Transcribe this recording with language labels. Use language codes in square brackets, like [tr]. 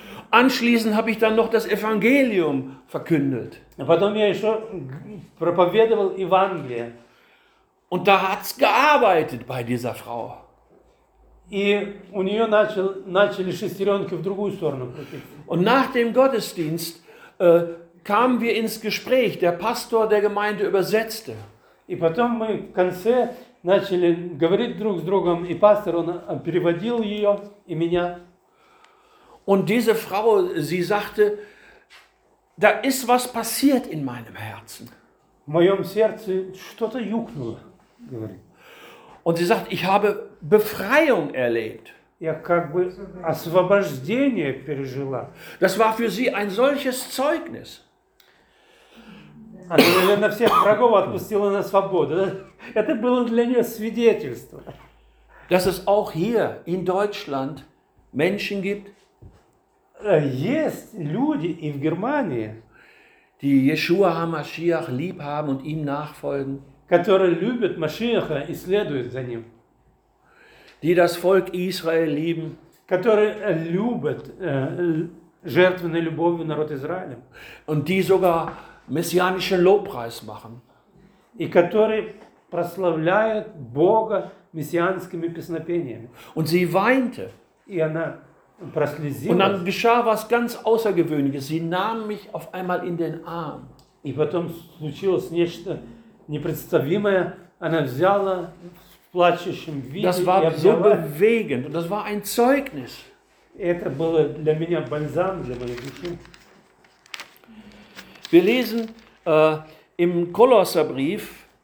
[de] Anschließend habe ich dann noch das Evangelium verkündet. [ru] Потом я еще проповедовал Евангелие. [de] Und da hat's gearbeitet bei dieser Frau. [ru] И у нее начали шестеренки в другую сторону крутиться. [de] Und nach dem Gottesdienst kamen wir ins Gespräch. Der Pastor der Gemeinde übersetzte. [ru] И потом мы в конце начали говорить друг с другом, и пастор он переводил ее и меня. [de] Und diese Frau, sie sagte, da ist was passiert in meinem Herzen. [ru] В моем сердце что-то юкнуло, говорит. [de] Und sie sagt, ich habe Befreiung erlebt. [ru] Я как бы освобождение пережила. [de] Das war für sie ein solches Zeugnis. [ru] Она, наверное, всех врагов отпустила на свободу. Это было для нее свидетельство. [de] Dass es auch hier in Deutschland Menschen gibt, [ru] есть люди и в Германии, [de] die Yeshua HaMashiach lieb haben und ihm nachfolgen, [ru] которые любят Машиаха и следуют за ним, [de] die das Volk Israel lieben, [ru] которые любят жертвенной любовью народ Израиля, [de] und die sogar messianischen Lobpreis machen, [ru] и которые прославляют Бога мессианскими песнопениями. [de] Und sie weinte. [ru] И она прослезилась. [de] Und dann geschah was ganz Außergewöhnliches. Sie nahm mich auf einmal in den Arm. [ru] И потом случилось нечто непредставимое. Она взяла в плачущем виде. [de] Das war so bewegend. Und das war ein Zeugnis. [ru] Это было для меня бальзам для моей души. [de] Wir lesen im Kolosserbrief.